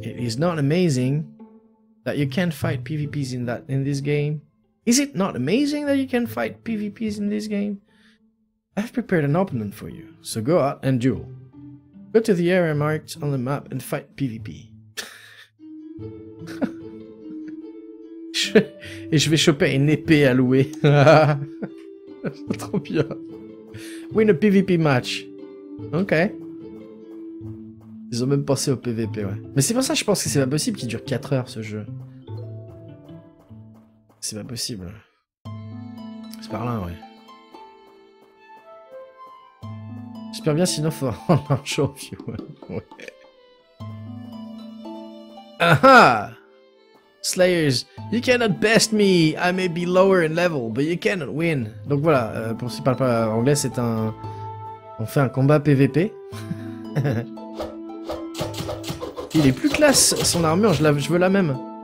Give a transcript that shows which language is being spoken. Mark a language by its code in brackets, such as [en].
[en] It is not amazing that you can fight PvPs in this game. Is it not amazing that you can fight PvPs in this game? I've prepared an opponent for you, so go out and duel. Go to the area marked on the map and fight PvP. [fr] Et je vais choper une épée à louer. Trop bien. [en] Win a PvP match. Ok. [fr] Ils ont même pensé au PvP, ouais. Mais c'est pour ça que je pense que c'est pas possible qu'il dure 4 heures, ce jeu. C'est pas possible. C'est par là, ouais. J'espère bien, sinon faut en un champion. Ouais. [en] Ah ah! Slayers, you cannot best me. I may be lower in level, but you cannot win. [fr] Donc voilà, pour ceux qui parlent pas anglais, c'est un... On fait un combat PVP. Il est plus classe, son armure, je veux la même.